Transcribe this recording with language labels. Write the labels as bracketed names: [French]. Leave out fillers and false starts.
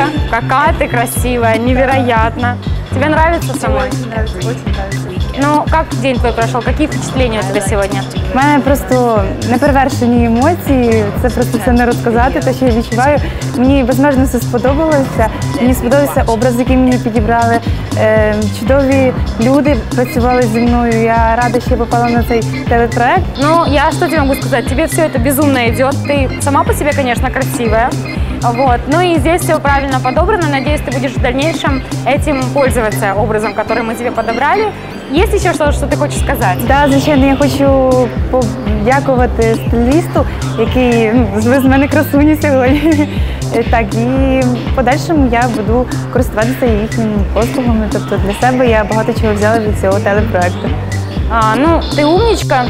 [Russian] Какая ты красивая, невероятно. Тебе нравится самой? Очень нравится, очень нравится. Ну, как день твой прошел? Какие впечатления у тебя сегодня? [Ukrainian] У мене просто неперевершені емоції, це просто все не розказати, те, що я відчуваю. Мені, безмежно, все сподобалося. Мені сподобався образ, який мені підібрали. Чудові люди працювали зі мною. Я рада, що я попала на цей телепроект. Ну, я що тобі можу сказати? Тобі все це безумно йде. Ти сама по себе, звісно, красива. [Russian] Вот. Ну и здесь все правильно подобрано. Надеюсь, ты будешь в дальнейшем этим пользоваться образом, который мы тебе подобрали. Есть еще что-то, что ты хочешь сказать? [Ukrainian] Да, звичайно, я хочу подякувати стилісту, який звез мене красуню сьогодні. Так, і в подальшому я буду користуватися їхніми послугами. Тобто для себе я багато чого взяла від цього телепроекту. [Russian] А, ну, ти умничка.